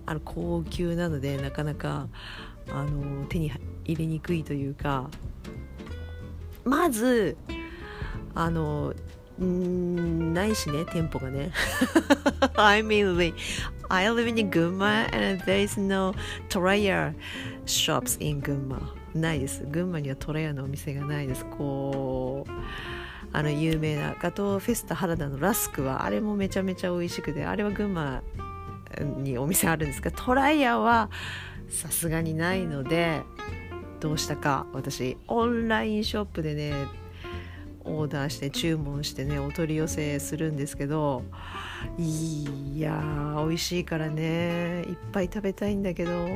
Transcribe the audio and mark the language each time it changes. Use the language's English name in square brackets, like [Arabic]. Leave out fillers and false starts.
[Japanese] 高級なので、なかなか手に入れにくいというか。まず、ないしね、店舗がね。 [English] I live in Gunma and there is no Toraya shops in Gunma. [Japanese] ないです。GunmaにはToraya のお店がないです。こう、有名なガトーフェスタ原田のラスクは、あれもめちゃめちゃ美味しくて、あれは Gunma にお店あるんですが、Toraya はさすがにないので、どうしたか、私、オンラインショップでね、オーダーして注文してね、お取り寄せするんですけど、いやー美味しいからね、いっぱい食べたいんだけど